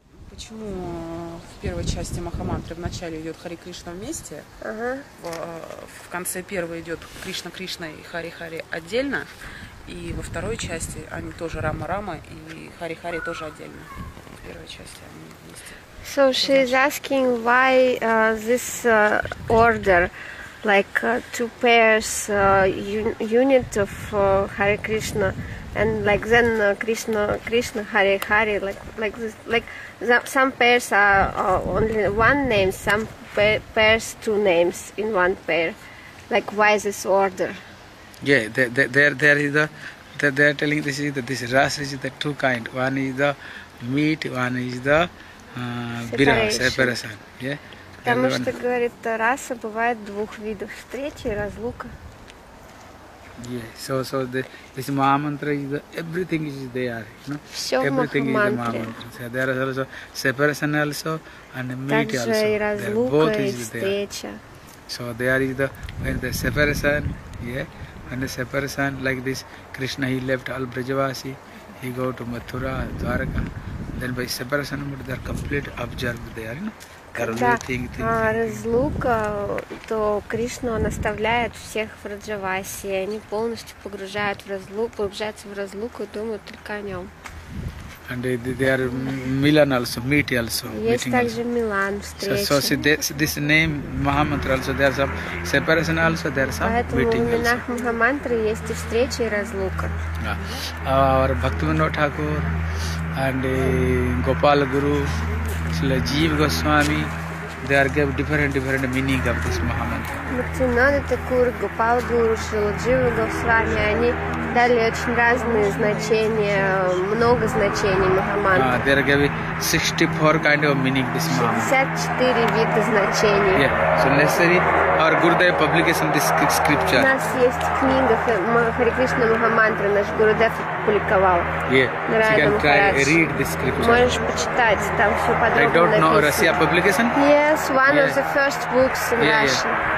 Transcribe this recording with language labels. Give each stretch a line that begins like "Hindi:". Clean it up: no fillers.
Russian: почему в первой части Махамантры в начале идет Хари Кришна вместе, в конце первой идет Кришна Кришна и Хари Хари отдельно, и во второй части они тоже Рама Рама и Хари Хари тоже отдельно. В первой части они вместе.
English: So she's asking why this order, like two pairs, unit of Hare Krishna, and like then Krishna Krishna Hare Hare, like some pairs are only one name, some pairs two names in one pair, like why this order? Yeah, they are telling this rasa is the two kind. One is the meat, one is the Separation.
Russian: Потому что, говорит, раса бывает двух видов. Встреча и разлука.
English: So this Mahamantra is the, everything is there, you know?
Russian: Все
English: everything
Russian: в
English: Mahamantra. So there is also separation also and meet
Russian: Также
English: also.
Russian: Также и разлука, и встреча.
English: So there is the, when the separation, when the separation like this, Krishna, he left all Brajavasi, he go to Mathura, Dwaraka. Then by separation, but they are complete observed there, you know?
Russian: Разлука, то Кришна, он оставляет всех в Раджавасе, они полностью погружают в разлуку, погружаются в разлуку и думают только о нем.
English: And they are Milan also, meet also.
Russian: Есть также Милан, встреча.
English: So this name Mahamantra also, there are some separation also, there are some meeting also.
Russian: Поэтому в именах Махамантры есть и встреча, и разлука.
English: Our Bhaktivinoda Thakur and Gopal Guru, Shila Jeev Goswami, they are gave different meaning of this Mahamantra.
Russian: Bhaktivinoda Thakur, Gopal Guru, Shila Jeev Goswami, они дали очень разные значения, много значений Махамантры.
English: They are gave 64 kind of meaning this Mahamantra.
Russian: 64 вида значений.
English: Yeah, so necessary our Gurudev publication this scripture.
Russian: У нас есть книга Хари Кришна Махамантра, наш Гурудев публиковал.
English: Yeah, you can try read this scripture.
Russian: Можешь почитать, там все подробно написано.
English: I don't know Russia publication? Yes, one of the first books in Russian.